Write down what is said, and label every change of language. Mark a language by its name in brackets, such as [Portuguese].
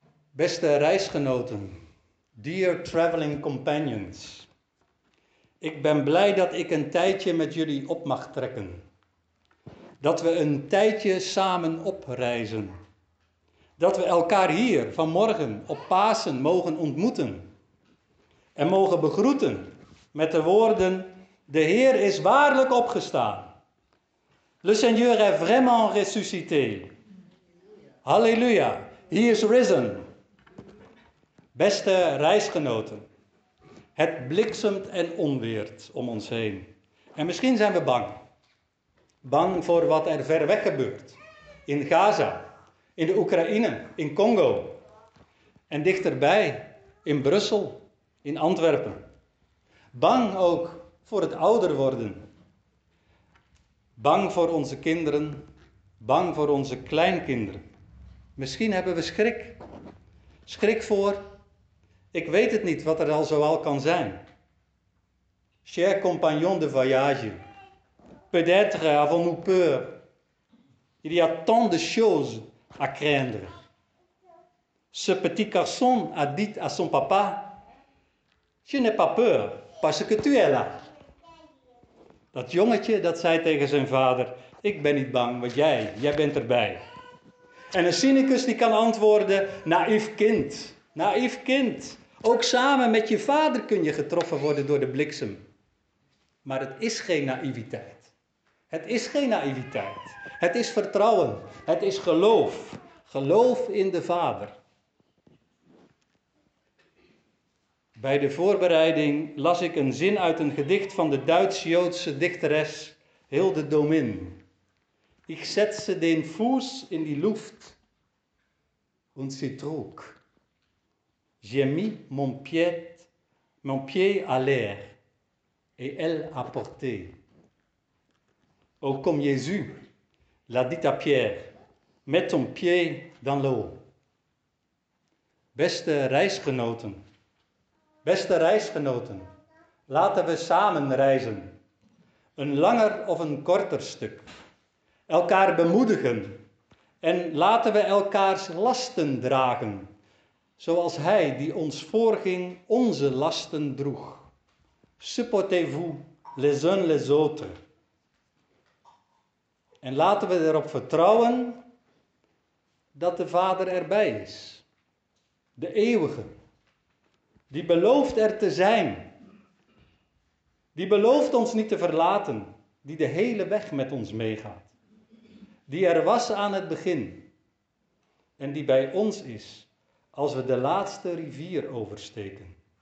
[Dutch] Beste reisgenoten, [English] dear traveling companions, [Dutch] ik ben blij dat ik een tijdje met jullie op mag trekken. dat we een tijdje samen opreizen. Dat we elkaar hier vanmorgen op Pasen mogen ontmoeten en mogen begroeten met de woorden: de Heer is waarlijk opgestaan. [French] Le Seigneur est vraiment ressuscité. [English] Halleluja, He is risen. [Dutch] Beste reisgenoten, het bliksemt en onweert om ons heen. En misschien zijn we bang. Bang voor wat er ver weg gebeurt. In Gaza, in de Oekraïne, in Congo. En dichterbij, in Brussel, in Antwerpen. Bang ook voor het ouder worden. Bang voor onze kinderen, bang voor onze kleinkinderen. Misschien hebben we schrik. Schrik voor, ik weet het niet wat er al zoal kan zijn. [French] Cher compagnon de voyage, peut-être avons-nous peur. Il y a tant de choses à craindre. Ce petit garçon a dit à son papa, je n'ai pas peur, parce que tu es là. [Dutch] Dat jongetje dat zei tegen zijn vader, ik ben niet bang, want jij bent erbij. En een cynicus die kan antwoorden, naïef kind, ook samen met je vader kun je getroffen worden door de bliksem. Maar het is geen naïviteit. Het is geen naïviteit. Het is vertrouwen. Het is geloof. Geloof in de Vader. Bij de voorbereiding las ik een zin uit een gedicht van de Duits-Joodse dichteres Hilde Domin. [German] Ich setze den Fuß in die Luft und sie trug. [French] J'ai mis mon pied à l'air et elle a porté. Ô comme Jésus l'a dit à Pierre, mets ton pied dans l'eau. [Dutch] Beste reisgenoten, laten we samen reizen. Een langer of een korter stuk. Elkaar bemoedigen en laten we elkaars lasten dragen. Zoals Hij die ons voorging onze lasten droeg. [French] Supportez-vous les uns les autres. [Dutch] En laten we erop vertrouwen dat de Vader erbij is. De Eeuwige. Die belooft er te zijn. Die belooft ons niet te verlaten. Die de hele weg met ons meegaat. Die er was aan het begin en die bij ons is als we de laatste rivier oversteken.